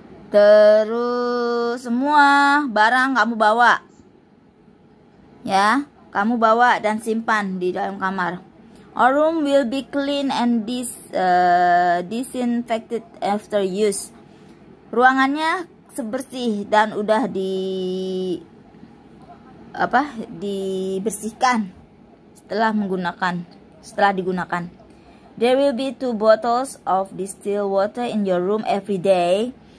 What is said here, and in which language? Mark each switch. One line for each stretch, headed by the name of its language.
Indonesian: Terus semua barang kamu bawa. Ya? Kamu bawa dan simpan di dalam kamar.
English: Our room will be clean and disinfected after use.
Indonesian: Ruangannya sebersih dan udah dibersihkan setelah digunakan.
English: There will be 2 bottles of distilled water in your room every day.